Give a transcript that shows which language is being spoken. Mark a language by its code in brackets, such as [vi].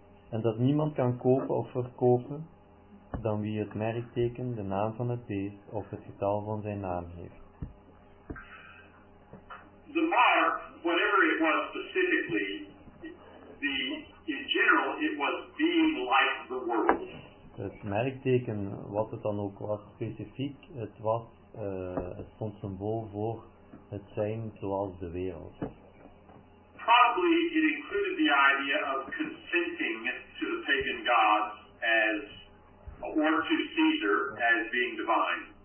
[nl] En dat niemand kan kopen of verkopen dan wie het merkteken, de naam van het beest of het getal van zijn naam heeft. [en] The mark, whatever it was specifically, in general, it was being like the world. [nl] Het merkteken, wat het dan ook was specifiek, het was, het stond symbool voor het zijn zoals de wereld. [en] Probably it included the idea of consenting to the pagan gods as, or to Caesar as being divine.